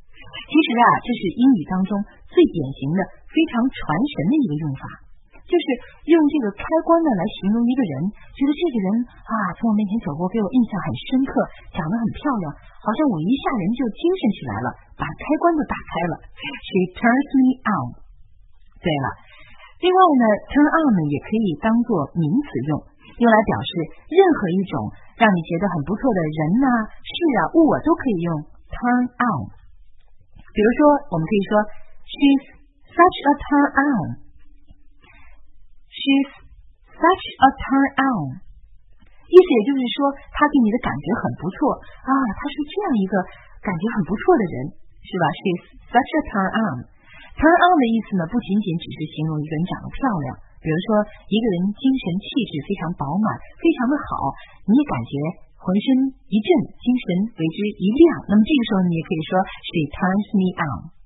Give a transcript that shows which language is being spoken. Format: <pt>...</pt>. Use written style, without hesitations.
<zh>其实啊，这是英语当中最典型的非常传神的一个用法，就是用这个开关呢来形容一个人，觉得这个人啊从我面前走过，给我印象很深刻，长得很漂亮，好像我一下人就精神起来了，把开关都打开了。</zh> <en>She turns me on。</en> <zh>对了，另外呢 turn on 呢也可以当作名词用，用来表示任何一种让你觉得很不错的人啊、事啊、物啊，都可以用 turn on。比如说我们可以说</zh> <en>She's such a turn on. She's such a turn on.</en> <zh>意思也就是说她对你的感觉很不错啊，她是这样一个感觉很不错的人，是吧？</zh> <en>She's such a turn on.</en> <zh>Turn on 的意思呢，不仅仅只是形容一个人长得漂亮，比如说一个人精神气质非常饱满，非常的好，你感觉浑身一振，精神为之一亮，那么这个时候你也可以说</zh> <en>She turns me on。</en>